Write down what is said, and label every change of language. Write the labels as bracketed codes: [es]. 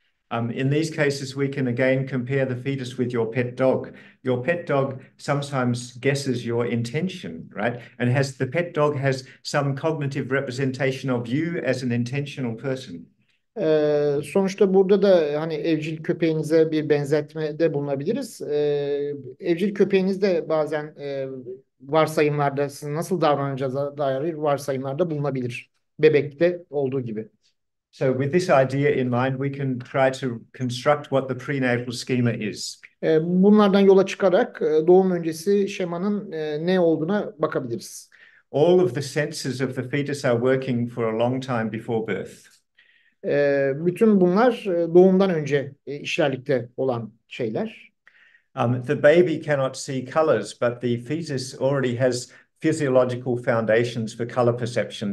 [en] In these cases, we can again compare the fetus with your pet dog. Your pet dog sometimes guesses your intention, right? And has the pet dog has some cognitive representation of you as an intentional person. [tr] Sonuçta burada da hani evcil köpeğinize bir benzetmede bulunabiliriz. Evcil köpeğiniz de bazen varsayımlarda siz nasıl davranacağınıza dair varsayımlarda bulunabilir. Bebekte olduğu gibi. [en] So with this idea in mind, we can try to construct what the prenatal schema is. [tr] Bunlardan yola çıkarak doğum öncesi şemanın ne olduğuna bakabiliriz. [en] All of the senses of the fetus are working for a long time before birth. [tr] Bütün bunlar doğumdan önce işlerlikte olan şeyler. [en] The baby cannot see colors, but the fetus already has physiological foundations for color perception.